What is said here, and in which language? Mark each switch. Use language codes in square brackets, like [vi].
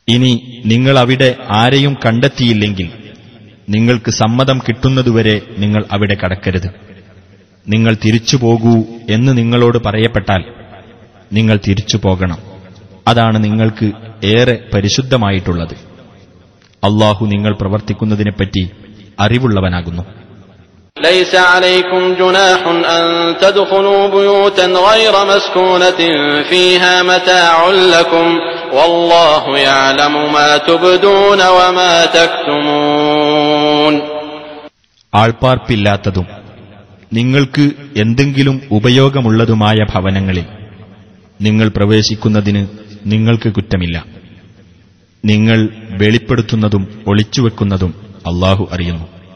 [ml] ഇനി നിങ്ങൾ അവിടെ ആരെയും കണ്ടെത്തിയില്ലെങ്കിൽ നിങ്ങൾക്ക് സമ്മതം കിട്ടുന്നതുവരെ നിങ്ങൾ അവിടെ കടക്കരുത്. നിങ്ങൾ തിരിച്ചു പോകൂ എന്ന് നിങ്ങളോട് പറയപ്പെട്ടാൽ നിങ്ങൾ തിരിച്ചു പോകണം. അതാണ് നിങ്ങൾക്ക് ഏറെ പരിശുദ്ധമായിട്ടുള്ളത്. അല്ലാഹു നിങ്ങൾ പ്രവർത്തിക്കുന്നതിനെപ്പറ്റി അറിവുള്ളവനാകുന്നു. [ar] ليس عليكم جناح ان تدخلوا بيوتا غير مسكونه فيها متاع لكم والله يعلم ما تبدون وما تكتمون. [ml] ആൾപാർപ്പില്ലാത്തതും നിങ്ങൾക്ക് എന്തെങ്കിലും ഉപയോഗമുള്ളതുമായ ഭവനങ്ങളിൽ നിങ്ങൾ പ്രവേശിക്കുന്നതിന് നിങ്ങൾക്ക് കുറ്റമില്ല. നിങ്ങൾ വെളിപ്പെടുത്തുന്നതും ഒളിച്ചുവെക്കുന്നതും അല്ലാഹു അറിയുന്നു.